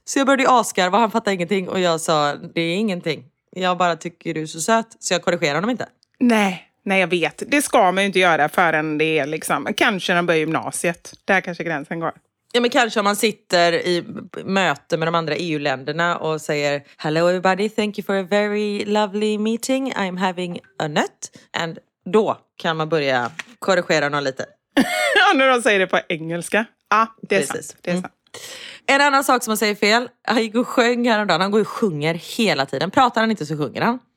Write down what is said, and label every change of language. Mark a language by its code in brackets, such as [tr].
[sv] Så jag började askarva, han fattade ingenting. Och jag sa, det är ingenting. Jag bara tycker du är så söt. Så jag korrigerar honom inte. Nej. Nej, jag vet. Det ska man ju inte göra förrän det är liksom... Kanske när man börjar gymnasiet. Där kanske gränsen går. Ja, men kanske om man sitter i möte med de andra EU-länderna och säger... [en] Hello everybody, thank you for a very lovely meeting. I'm having a nut. [sv] And då kan man börja korrigera någon lite. Ja, när de säger det på engelska. Ja, ah, det är precis. Sant. Det är sant. En annan sak som man säger fel. Han gick och sjöng häromdagen. Han går och sjunger hela tiden. Pratar han inte så sjunger han.